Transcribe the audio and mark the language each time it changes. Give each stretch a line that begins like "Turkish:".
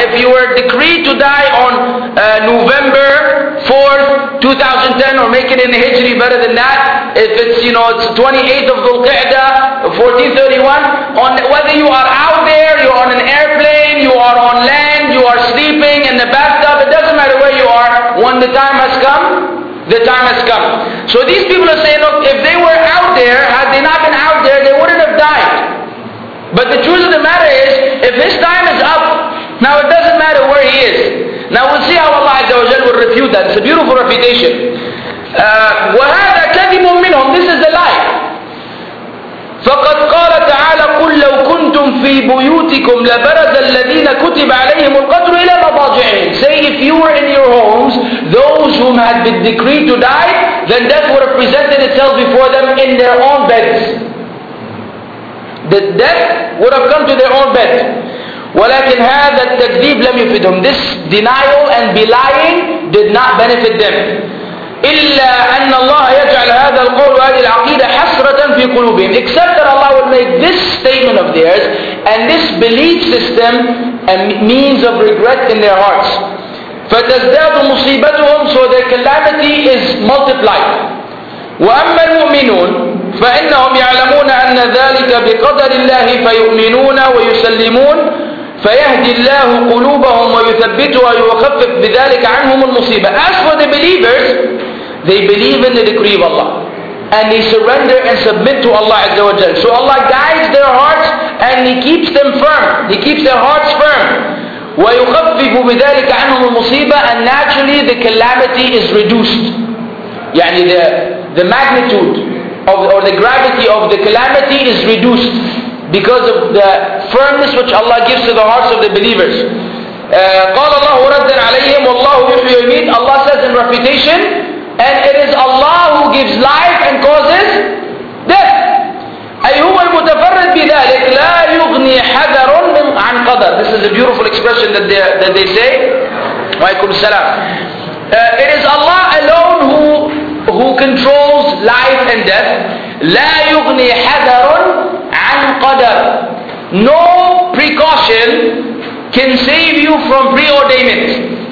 English: If you were decreed to die on November 4th, 2010, or make it in the Hijri better than that, if it's, you know, it's 28th of Dhul Qa'dah, 1431, on whether you are out there, you're on an airplane, you are on land, you are sleeping in the bathtub, it doesn't matter where you are, when the time has come, the time has come. So these people are saying, look, if they were out there, had they not been out there, they wouldn't have died. But the truth of the matter is, if his time is up, now it doesn't matter where he is. Now we'll see how Allah Azza wa Jal will refute that. It's a beautiful refutation.
Arabic: وَهَذَا كَذِبٌ مِّنْهُمْ.
English: This is the lie.
Arabic: فَقَدْ قَالَ تَعَالَى قُلْ لَوْ كُنْتُمْ فِي بُيُوتِكُمْ لَبَرَزَ الَّذِينَ كُتِبَ عَلَيْهِمُ الْقَتْرُ إِلَى مَضَاجِعِهِمْ.
English: Say, if you were in your homes, those whom had been decreed to die, then death would have presented itself before them in their own beds. The death would have come to their own bed.
Arabic: ولكن هذا التكذيب لم يفيدهم.
English: This denial and belying did not benefit them.
Arabic: إلا أن الله يجعل هذا القول وهذه العقيدة حسرة في قلوبهم.
English: Except that Allah would make this statement of theirs and this belief system a means of regret in their hearts.
Arabic: فتزداد مصيبتهم,
English: so their calamity is multiplied.
Arabic: وأما المؤمنون فإنهم يعلمون أن ذلك بقدر الله فيؤمنون ويسلمون فيهدي الله قلوبهم ويثبتها ويخفف بذلك عنهم المصيبة.
English: As for the believers, they believe in the decree of Allah and they surrender and submit to Allah Azza wa Jalla. So Allah guides their hearts and He keeps them firm. He keeps their hearts firm.
Arabic: وَيُخَفِّفُ بِذَلِكَ عَنْهُمُ الْمُصِيبَةِ.
English: And naturally the calamity is reduced. يعني the magnitude of, or the gravity of the calamity is reduced because of the firmness which Allah gives to the hearts of the believers.
Arabic: قَالَ اللَّهُ رَدًّا عَلَيْهِمْ وَاللَّهُ يُحْيِي وَيُمِيتُ.
English: Allah says in refutation, and it is Allah who gives life and causes death.
Arabic: أيهما المتفرد بذلك لا يغني حذر عن قدر.
English: This is a beautiful expression that they say.
Arabic: وعليكم السلام.
English: It is Allah alone who controls life and death.
Arabic: لا يغني حذر عن قدر.
English: No precaution can save you from preordainment.